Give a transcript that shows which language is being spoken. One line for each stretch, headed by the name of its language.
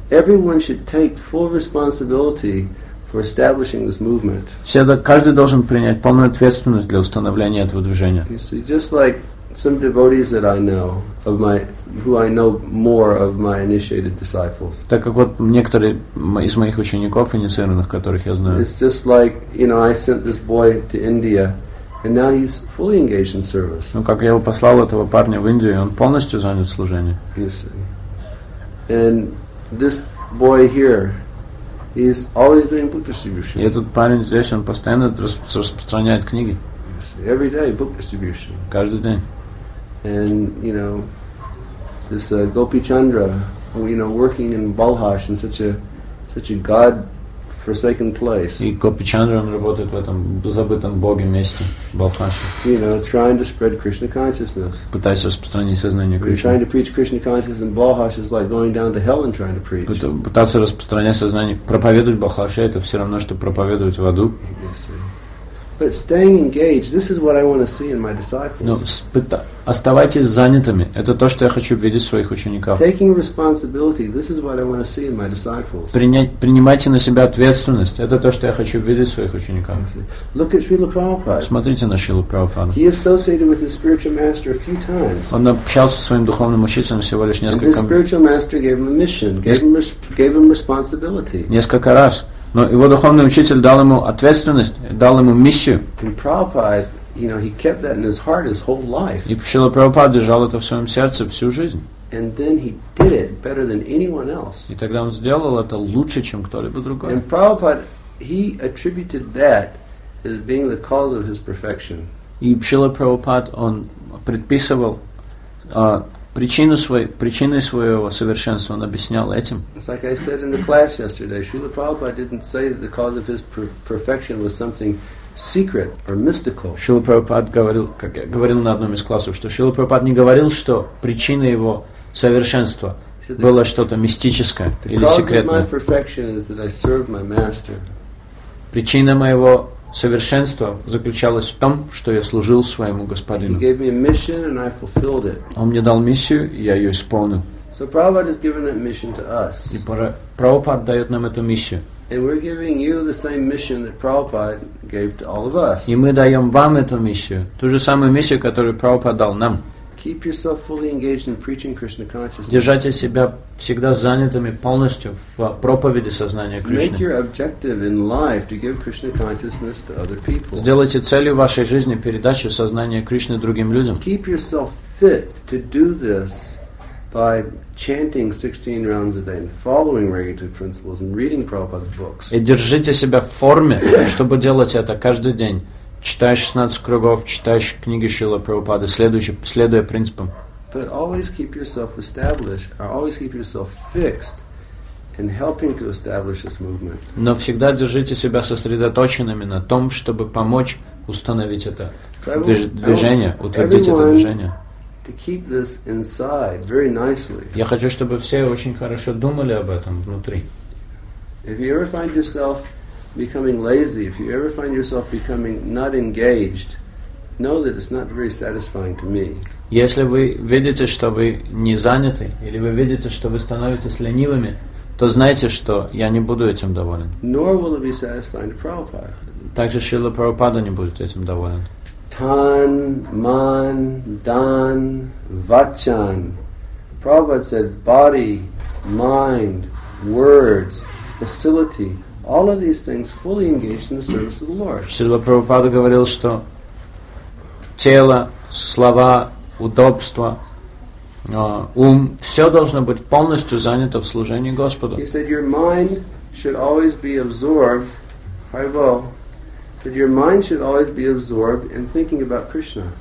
English: Everyone should take full responsibility for establishing this movement.
Russian: Каждый должен принять полную ответственность для установления этого движения.
English: See, just like some devotees that I know of my, who I know more of my initiated disciples.
Russian: Так как вот некоторые из моих учеников инициированных, которых я знаю.
English: It's just like, you know, I sent this boy to India, and now he's fully engaged in service.
Russian: Ну как я его послал этого парня в Индию, и он полностью занят служением.
English: Yes. And this boy here. He's always doing book distribution.
Russian: И этот парень здесь, он постоянно распространяет книги.
English: Every day book distribution.
Russian: Каждый день.
English: And you know, this Gopichandra, you know, working in Balhash in such a God-forsaken place.
Russian: И Гопичандра, он работает в этом забытом Богом месте, Балхаше.
English: You know, trying to spread Krishna consciousness.
Russian: Пытаясь распространить сознание Кришны.
English: We're trying to preach Krishna consciousness in Balhash is like going down to hell and trying to preach.
Russian: Пытаться распространять сознание, проповедовать Балхаше, это все равно, что проповедовать в аду.
English: But staying engaged, this is what I want to see in my disciples.
Russian: Но оставайтесь занятыми. Это то, что я хочу видеть в своих учениках.
English: Taking responsibility, this is what I want to see in my disciples.
Russian: Принимайте на себя ответственность. Это то, что я хочу видеть в своих учениках.
English: Look at Srila Prabhupada.
Russian: Смотрите на Шрилу Прабхупаду.
English: He associated with his spiritual master a few times.
Russian: Он общался со своим духовным учителем всего лишь несколько раз.
English: And his spiritual master gave him a mission, gave him responsibility.
Russian: Несколько раз. Но его духовный учитель дал ему ответственность, дал ему миссию.
English: And Prabhupada, you know, he kept that in his heart his whole life.
Russian: И Шрила Прабхупада держал это в своем сердце всю жизнь.
English: And then he did it better than anyone else.
Russian: И тогда он сделал это лучше, чем кто-либо другой.
English: And Prabhupada, he attributed that as being the cause of his perfection.
Russian: И Шрила Прабхупада, он предписывал причиной своего совершенства он объяснял этим.
English: It's like I said in the class yesterday, Srila Prabhupada didn't say that the cause of his perfection was something secret or mystical.
Russian: Srila Prabhupada говорил, как я говорил на одном из классов, что Srila Prabhupada не говорил, что причина его совершенства было что-то мистическое или секретное.
English: The cause of my perfection is that I serve my master.
Russian: Причина моего совершенство заключалось в том, что я служил своему господину.
English: He gave me a mission and I fulfilled it.
Russian: Он мне дал миссию, и я ее исполнил.
English: So Prabhupada has given that mission to us.
Russian: И Прабхупада дает нам эту миссию.
English: And we're giving you the same mission that Prabhupada gave to all of us.
Russian: И мы даем вам эту миссию, ту же самую миссию, которую Прабхупада дал нам.
English: Keep yourself fully engaged in preaching Krishna consciousness.
Russian: Держите себя всегда занятыми полностью в проповеди сознания Кришны.
English: Make your objective in life to give Krishna consciousness to other people.
Russian: Сделайте целью вашей жизни передачу сознания Кришны другим людям.
English: Keep yourself fit to do this by chanting 16 rounds a day and following regulative principles and reading Prabhupada's books.
Russian: И держите себя в форме, чтобы делать это каждый день. Читая 16 кругов, читая книги Шрилы Прабхупады, следуя принципам.
English: But always keep yourself established, or always keep yourself fixed in helping to establish this movement.
Russian: Но всегда держите себя сосредоточенными на том, чтобы помочь установить это движение, утвердить это движение.
English: To keep this inside very nicely.
Russian: Я хочу, чтобы все очень хорошо думали об этом внутри.
English: If you ever find yourself becoming lazy, if you ever find yourself becoming not engaged, know that it's not very satisfying to me.
Russian: Если вы видите, что вы не заняты, или вы видите, что вы становитесь ленивыми, то знайте, что я не буду этим доволен.
English: Nor will it be satisfying to Prabhupada.
Russian: Также Шрила Прабхупада не будет этим доволен.
Hindi: Tan, man, dan, vachan.
English: Prabhupada said body, mind, words, facility, all of these things fully engaged in the service of the Lord.
Russian: Шрила Прабхупада говорил, что тело, слова, удобства, ум, все должно быть полностью занято в служении Господу.
English: He said your mind should always be absorbed, Haribol, that your mind should always be absorbed in thinking about Krishna.